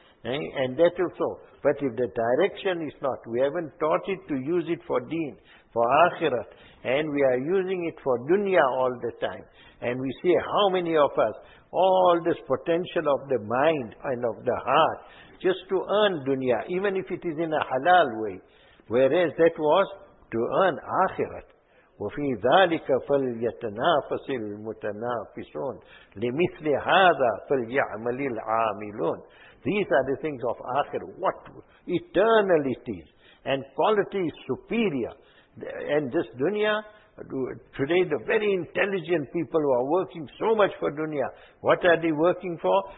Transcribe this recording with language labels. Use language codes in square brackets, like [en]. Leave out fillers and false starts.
[en] And that also. But if the direction is not, we haven't taught it to use it for deen, for akhirat, and we are using it for dunya all the time. And we see how many of us, all this potential of the mind and of the heart, just to earn dunya, even if it is in a halal way. Whereas that was to earn akhirat. [ar] وَفِي ذَلِكَ فَلْيَتَنَافَسِ الْمُتَنَافِسُونَ لِمِثْلِ هَذَا فَلْيَعْمَلِ الْعَامِلُونَ [en] These are the things of akhir. What eternal it is. And quality is superior. And this dunya, today the very intelligent people who are working so much for dunya, what are they working for?